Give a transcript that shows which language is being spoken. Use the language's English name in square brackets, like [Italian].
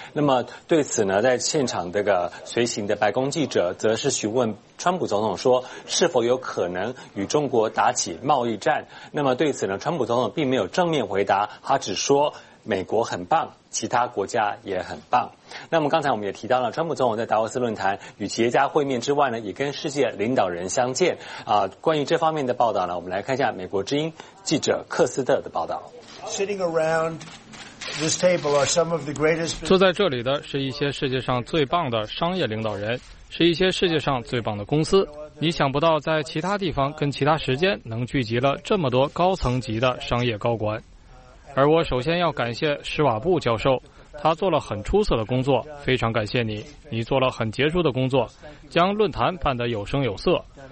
[Chinese] 那么对此呢，在现场这个随行的白宫记者则是询问川普总统说是否有可能与中国打起贸易战。那么对此呢，川普总统并没有正面回答，他只说美国很棒，其他国家也很棒。那么刚才我们也提到了，川普总统在达沃斯论坛与企业家会面之外呢，也跟世界领导人相见啊。关于这方面的报道呢，我们来看一下美国之音记者克斯特的报道。 [English] Sitting around this table are some of the greatest. [Chinese] 坐在这里的是一些世界上最棒的商业领导人，是一些世界上最棒的公司。你想不到在其他地方跟其他时间能聚集了这么多高层级的商业高管。而我首先要感谢史瓦布教授，他做了很出色的工作，非常感谢你，你做了很杰出的工作，将论坛办得有声有色。